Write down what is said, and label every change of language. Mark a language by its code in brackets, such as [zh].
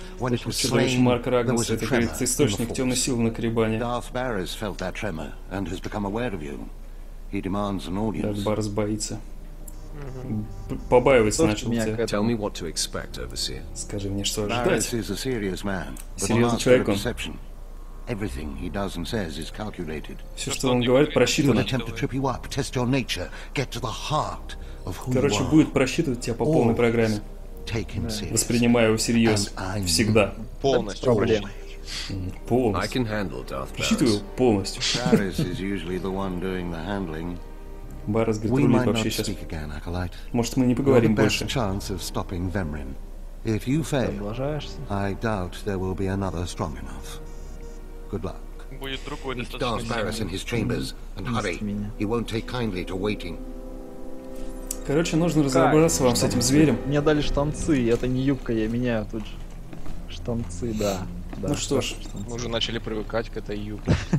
[en] When it was slain, there was a tremor in the force. Darth Barriss felt that tremor and has become aware of you. He demands an audience. Darth Barriss [ru] боится. Побаивается начал тебя. [en] Tell me what to expect, Overseer. [ru] Скажи мне, что ожидать. [en] Barriss is a serious man. [ru] Серьезный человек он. [en] Everything he does and says is calculated. [ru] Все, что он говорит, просчитано. [en] Attempt to trip you up, test your nature, get to the heart of who you are. [ru] Короче, будет просчитывать тебя по полной программе. Воспринимаю его всерьез, всегда. Полностью. Просчитываю полностью. Баррис говорит, рулит вообще сейчас. Может, мы не поговорим больше. [en] If you fail, I doubt there will be another strong enough. [ru] Будет другой достаточно сильный. Короче, нужно разобраться вам с этим зверем. Мне дали штанцы, это не юбка, я меняю тут же. Штанцы, да. Ну что ж. Мы уже начали привыкать к этой юбке.